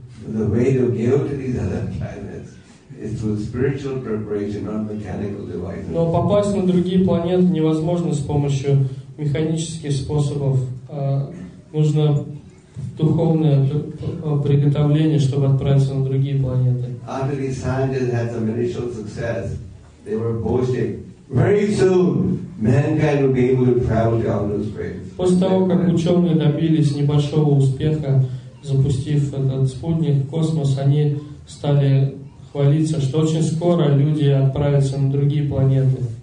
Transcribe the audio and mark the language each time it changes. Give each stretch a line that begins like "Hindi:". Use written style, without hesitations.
English: The way to go to these other planets is through spiritual preparation, not mechanical devices.
Russian: Но попасть на другие планеты невозможно с помощью механических способов. Нужно духовное приготовление, чтобы отправиться на другие планеты.
English: After these scientists had some initial success, they were boasting, very soon mankind will be able to travel down those planets.
Russian: После того, как ученые добились небольшого успеха, запустив этот спутник в космос, они стали хвалиться, что очень скоро люди отправятся на другие планеты.